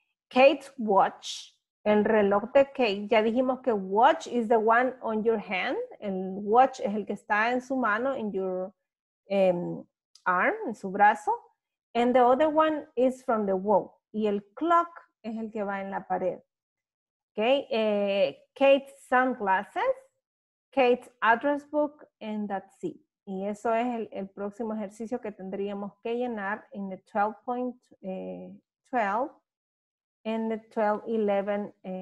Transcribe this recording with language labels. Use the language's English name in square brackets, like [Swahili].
[English] Kate's watch, [Spanish] el reloj de Kate. Ya dijimos que watch [English] is the one on your hand. [Spanish] El watch es el que está en su mano, [English] in your arm, [Spanish] en su brazo. [English] And the other one is from the wall. [Spanish] Y el clock es el que va en la pared. [English] Okay, Kate's sunglasses, Kate's address book, and that's it. [Spanish] Y eso es el próximo ejercicio que tendríamos que llenar en [English] the 12.12 and the 12.11